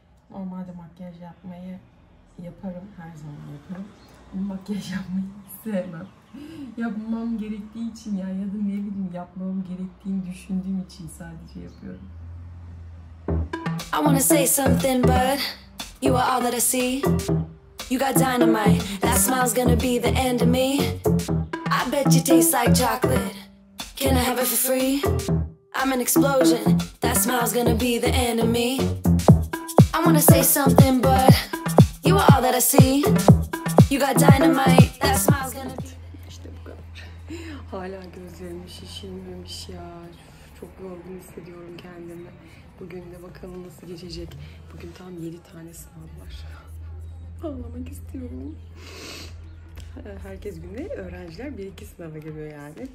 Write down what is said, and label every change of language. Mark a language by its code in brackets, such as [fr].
[tr] Normalde makyaj yapmayı yaparım, her zaman yaparım. Makyaj yapmayı sevmem. Yapmam gerektiği için ya, ya da ne bileyim, yapmam gerektiğini düşündüğüm için sadece yapıyorum. [en] I wanna say something but you are all that I see. You got dynamite. That smile's gonna be the end of me. I bet you taste like chocolate. Can I have it for free? I'm an explosion. That smile's gonna be the end of me. I wanna say something, but you are all that I see. You got dynamite. That smile's gonna be. [tr] İşte bu kadar. Hala gözlerim şişirmemiş ya. Çok yorgun hissediyorum kendimi. Bugün de bakalım nasıl geçecek. Bugün tam 7 tane sınav var. Anlamak istiyorum. Herkes günü öğrenciler 1-2 sınava giriyor yani.